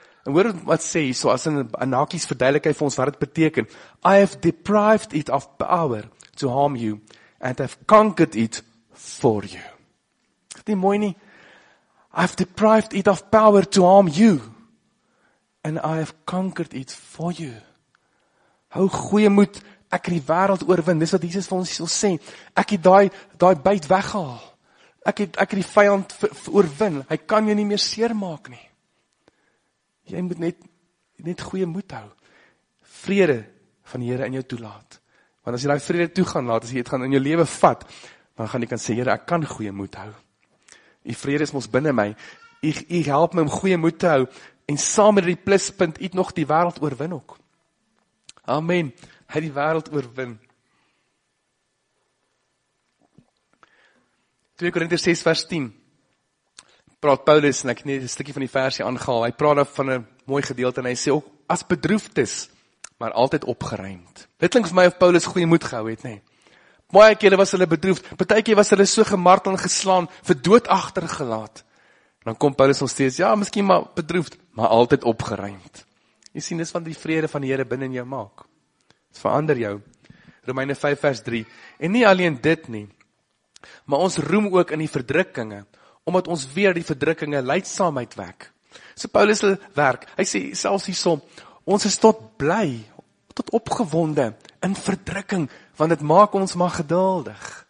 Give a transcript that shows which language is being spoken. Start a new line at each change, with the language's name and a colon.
Afrikaans: En hoor wat sê hy, so as in hakies verduidelik hy vir ons wat dit beteken.
English: I have deprived it of power to harm you, and have conquered it for you.
Afrikaans: Dit is mooi nie.
English: I have deprived it of power to harm you, and I have conquered it for you.
Afrikaans: Hou goeie moed, ek het die wêreld oorwin, dis wat Jesus vir ons wil sê. Ek het daai byt weggehaal. Ek het die vyand oorwin, hy kan jou nie meer seermaak nie. Jy moet net goeie moed hou. Vrede van die Here in jou toelaat. Want as jy daai vrede toegaan laat, as jy dit gaan in jou lewe vat, dan gaan jy kan sê, Here, ek kan goeie moed hou. U vrede is mos binne my. U help my om goeie moed te hou en saam met die pluspunt, u het nog die wêreld oorwin ook. Amen. Hy het die wêreld oorwin. 2 Korintiërs 6 vers 10. Praat Paulus, en ek het net 'n stukkie van die versie aangehaal. Hy praat daar van 'n mooi gedeelte en hy sê ook as bedroefdes, maar altyd opgeruimd. Dit klink vir my of Paulus goeie moed gehou het, nê. Baie kere was hulle bedroefd. Partykeer was hulle so gemartel en geslaan, vir dood agtergelaat. Dan kom Paulus nog steeds, ja, miskien maar bedroefd, maar altyd opgeruimd. Jy sien, dis van die vrede van die Here binne in jou maak. Dit verander jou. Romeine 5 vers 3. En nie alleen dit nie, maar ons roem ook in die verdrukkinge, omdat ons weer die verdrukkinge lydsaamheid wek. So Paulus se werk, hy sê selfs hierson, ons is tot bly, tot opgewonde in verdrukking, want dit maak ons maar geduldig.